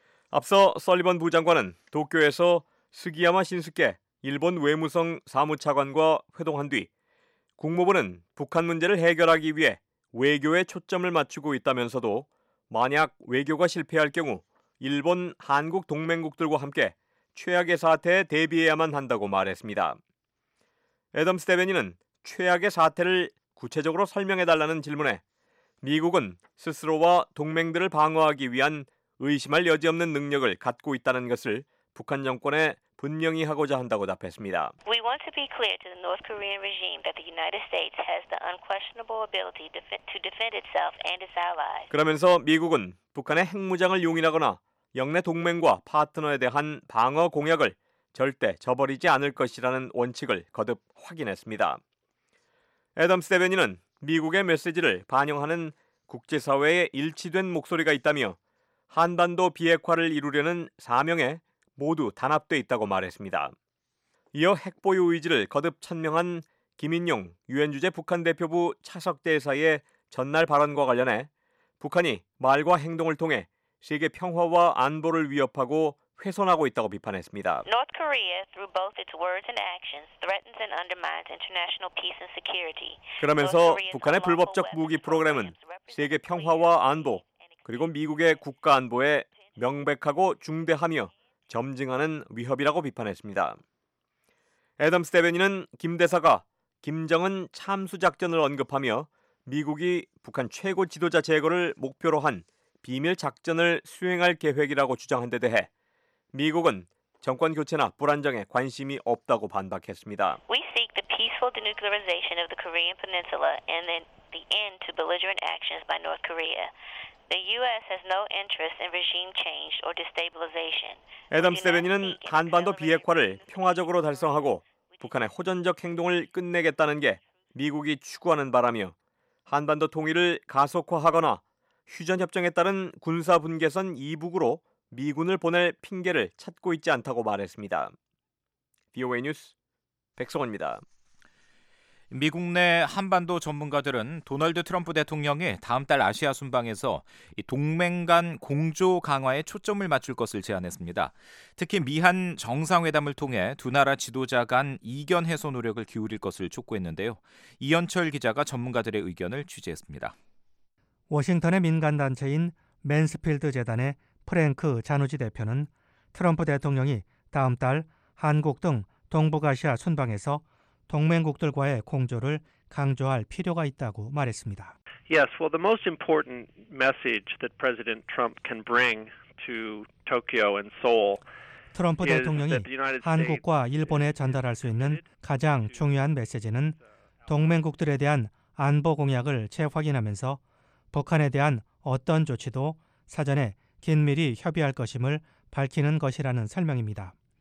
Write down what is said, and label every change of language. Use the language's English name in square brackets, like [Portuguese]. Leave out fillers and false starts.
[Korean] 앞서 설리번 부장관은 도쿄에서 스기야마 신스케 일본 외무성 사무차관과 회동한 뒤 국무부는 북한 문제를 해결하기 위해 외교에 초점을 맞추고 있다면서도 만약 외교가 실패할 경우 일본, 한국 동맹국들과 함께 최악의 사태에 대비해야만 한다고 말했습니다. 애덤스 대변인은 최악의 사태를 구체적으로 설명해달라는 질문에 미국은 스스로와 동맹들을 방어하기 위한 의심할 여지 없는 능력을 갖고 있다는 것을 북한 정권에 분명히 하고자 한다고 답했습니다. [English] We want to be clear to the North Korean regime that the United States has the unquestionable ability to defend itself and its allies. [Korean] 그러면서 미국은 북한의 핵무장을 용인하거나 영내 동맹과 파트너에 대한 방어 공약을 절대 저버리지 않을 것이라는 원칙을 거듭 확인했습니다. 애덤스 대변인은 미국의 메시지를 반영하는 국제사회에 일치된 목소리가 있다며 한반도 비핵화를 이루려는 사명에 모두 단합돼 있다고 말했습니다. 이어 핵 보유 의지를 거듭 천명한 김인용 유엔 주재 북한 대표부 차석 대사의 전날 발언과 관련해 북한이 말과 행동을 통해 세계 평화와 안보를 위협하고 훼손하고 있다고 비판했습니다. [English] North Korea through both its words and actions threatens and undermines international peace and security. [Korean] 그러면서 북한의 불법적 무기 프로그램은 세계 평화와 안보 그리고 미국의 국가 안보에 명백하고 중대하며 점증하는 위협이라고 비판했습니다. 애덤스 대변인은 김 대사가 김정은 참수작전을 언급하며 미국이 북한 최고 지도자 제거를 목표로 한 비밀 작전을 수행할 계획이라고 주장한 데 대해 미국은 정권 교체나 불안정에 관심이 없다고 반박했습니다. [English] We seek the peaceful denuclearization of the Korean Peninsula and the end to belligerent actions by North Korea. The U.S. has no interest in regime change or destabilization. [Korean] 애덤스 대변인은 한반도 비핵화를 평화적으로 달성하고 북한의 호전적 행동을 끝내겠다는 게 미국이 추구하는 바라며 한반도 통일을 가속화하거나 휴전협정에 따른 군사분계선 이북으로 미군을 보낼 핑계를 찾고 있지 않다고 말했습니다. VOA 뉴스 백성원입니다. 미국 내 한반도 전문가들은 도널드 트럼프 대통령이 다음 달 아시아 순방에서 동맹 간 공조 강화에 초점을 맞출 것을 제안했습니다. 특히 미한 정상회담을 통해 두 나라 지도자 간 이견 해소 노력을 기울일 것을 촉구했는데요. 이현철 기자가 전문가들의 의견을 취재했습니다. 워싱턴의 민간단체인 맨스필드 재단의 프랭크 자누지 대표는 트럼프 대통령이 다음 달 한국 등 동북아시아 순방에서 동맹국들과의 공조를 강조할 필요가 있다고 말했습니다. [English] Yes, well, the most important message that President Trump can bring to Tokyo and Seoul. [Korean] 트럼프 대통령이 한국과 일본에 전달할 수 있는 가장 중요한 메시지는 동맹국들에 대한 안보 공약을 재확인하면서 북한에 대한 어떤 조치도 사전에 긴밀히 협의할 것임을 밝히는 것이라는 설명입니다.